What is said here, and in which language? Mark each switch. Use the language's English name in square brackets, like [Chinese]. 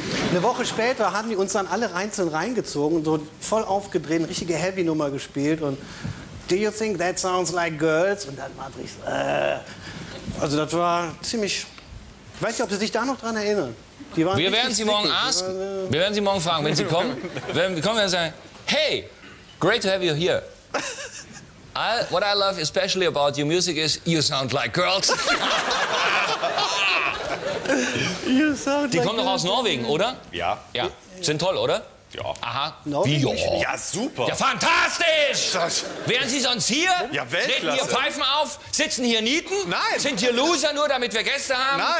[German] Eine Woche später haben die uns dann alle einzeln reingezogen und so voll aufgedreht, richtige Heavy-Nummer gespielt und [English] do you think that sounds like girls? [German] Und dann war ich so, also das war ziemlich, ich weiß nicht, ob Sie sich da noch dran erinnern. Die waren wir werden Sie morgen fragen, wenn Sie kommen, werden sagen, [English] hey, great to have you here. What I love especially about your music is you sound like girls. [German] Die kommen doch aus Norwegen, oder? Ja. Ja. Sind toll, oder? Ja. Aha. Norwegisch? Ja, super. Ja, fantastisch! Das. Wären Sie sonst hier? Ja, Weltklasse. Treten hier Pfeifen auf? Sitzen hier Nieten? Nein. Sind hier Loser, nur damit wir Gäste haben?